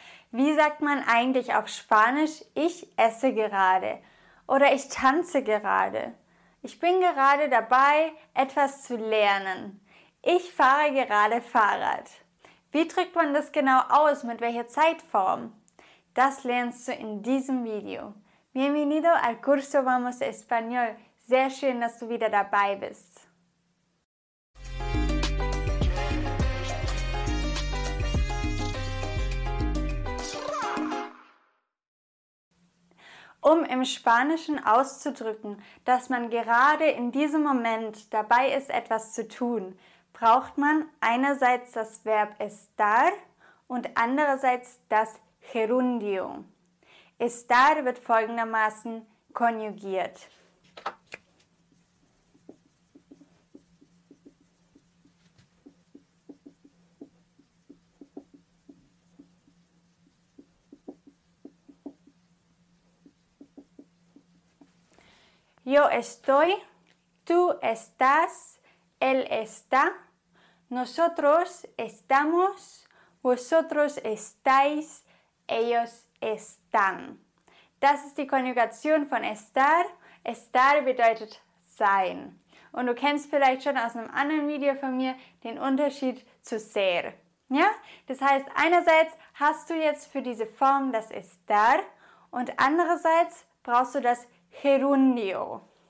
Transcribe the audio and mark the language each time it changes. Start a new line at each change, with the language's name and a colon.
German: Wie sagt man eigentlich auf Spanisch, ich esse gerade oder ich tanze gerade? Ich bin gerade dabei, etwas zu lernen. Ich fahre gerade Fahrrad. Wie drückt man das genau aus, mit welcher Zeitform? Das lernst du in diesem Video.
Spanish: Bienvenido al curso Vamos Español.
German: Sehr schön, dass du wieder dabei bist. Um im Spanischen auszudrücken, dass man gerade in diesem Moment dabei ist, etwas zu tun, braucht man einerseits das Verb estar und andererseits das gerundio. Estar wird folgendermaßen konjugiert.
Spanish: Yo estoy, tú estás, él está, nosotros estamos, vosotros estáis, ellos están.
German: Das ist die Konjugation von estar. Estar bedeutet sein. Und du kennst vielleicht schon aus einem anderen Video von mir den Unterschied zu ser. Ja? Das heißt, einerseits hast du jetzt für diese Form das estar und andererseits brauchst du das gerundio.